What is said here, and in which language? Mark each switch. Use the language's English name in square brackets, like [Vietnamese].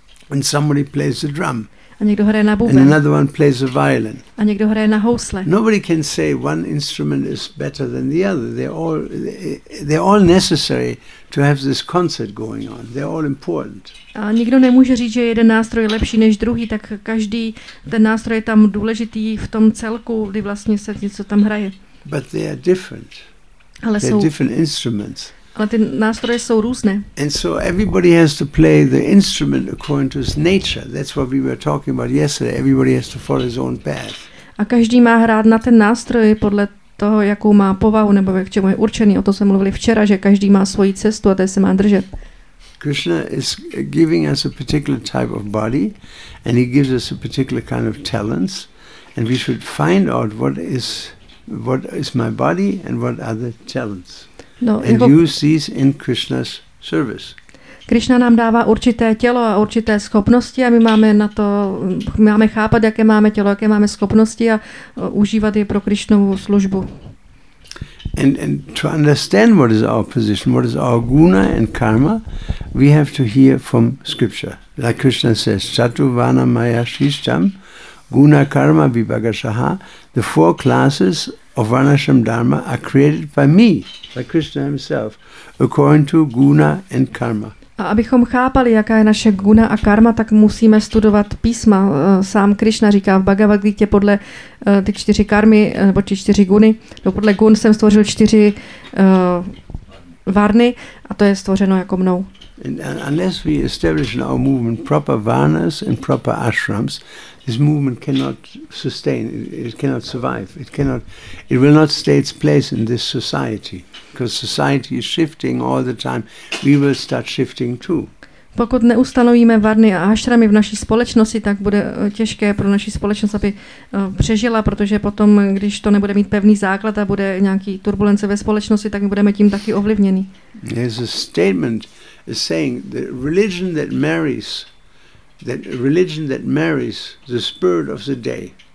[English] And somebody plays the drum. [Czech] A A někdo hraje na bubeň. [English] And another one plays a violin. [Czech] A někdo hraje na housle. [English] Nobody can say one instrument is better than the other. They're all necessary to have this concert going on. They're all important. [Czech] A nikdo nemůže říct, že jeden nástroj je lepší než druhý, tak každý ten nástroj je tam důležitý v tom celku, kdy vlastně se něco tam hraje. [English] But they are different. [Czech] Ale [English] they're different instruments. [Czech] Ale ty nástroje jsou různé. [English] And so everybody has to play the instrument according to his nature. That's what we were talking about yesterday. Everybody has to follow his own path. [Czech] A každý má hrát na ten nástroj podle toho, jakou má povahu nebo k čemu je určený. O to jsme mluvili včera, že každý má svoji cestu a té se má držet. [English] Krishna is giving us a particular type of body and he gives us a particular kind of talents and we should find out what is my body and what are the talents. No, and use these in Krishna's service. [Czech] Krishna nám dává určité tělo a určité schopnosti a my máme chápat, jaké máme tělo, jaké máme schopnosti a užívat je pro Krishnovu službu. [English] And to understand what is our position, what is our guna and karma, we have to hear from scripture. Like Krishna says, [Sanskrit] Chaturvana Maya Shishtam, Guna Karma Vibhagasaha, [English] the four classes of Varnashram Dharma are created by me, by Krishna himself, according to guna and karma. [Czech] A abychom chápali, jaká je naše guna a karma, tak musíme studovat písma. Sám Krishna říká v Bhagavad Gita podle ty čtyři karmy, nebo ty čtyři guny. No podle gun jsem stvořil čtyři varny a to je stvořeno jako mnou. [English] And unless we establish in our movement proper varnas and proper ashrams, this movement cannot sustain, it cannot survive, it will not stay its place in this society, because society is shifting all the time, we will start shifting too. [Czech] Pokud neustanovíme varny a ashramy v naší společnosti, tak bude těžké pro naši společnost, aby přežila, protože potom, když to nebude mít pevný základ a bude nějaký turbulence ve společnosti, tak my budeme tím taky ovlivněni. [English] There's a statement saying the religion that marries the spirit of the day.